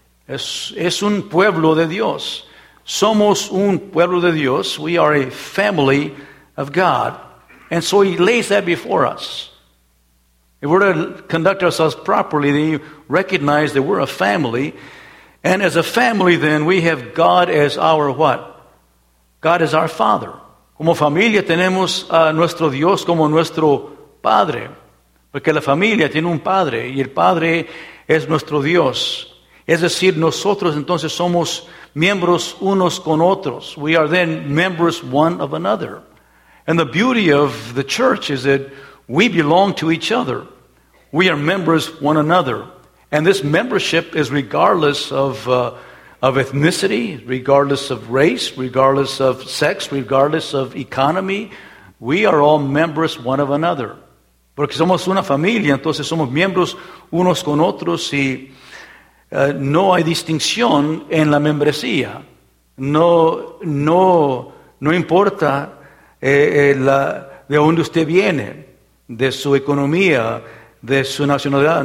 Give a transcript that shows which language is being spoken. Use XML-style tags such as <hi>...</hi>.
<es>Es un pueblo de Dios. Somos un pueblo de Dios.</es> <en>We are a family of God. And so he lays that before us. If we're to conduct ourselves properly, then you recognize that we're a family. And as a family, then, we have God as our what? God is our Father.</en> <es>Como familia tenemos a nuestro Dios como nuestro Padre. Porque la familia tiene un Padre. Y el Padre es nuestro Dios. Es decir, nosotros entonces somos miembros unos con otros.</es> <en>We are then members one of another. And the beauty of the church is that we belong to each other. We are members one another. And this membership is regardless of ethnicity, regardless of race, regardless of sex, regardless of economy. We are all members one of another.</en> <es>Porque somos una familia, entonces somos miembros unos con otros y no hay distinción en la membresía. No importa de dónde usted viene, de su economía, de su nacionalidad.</es>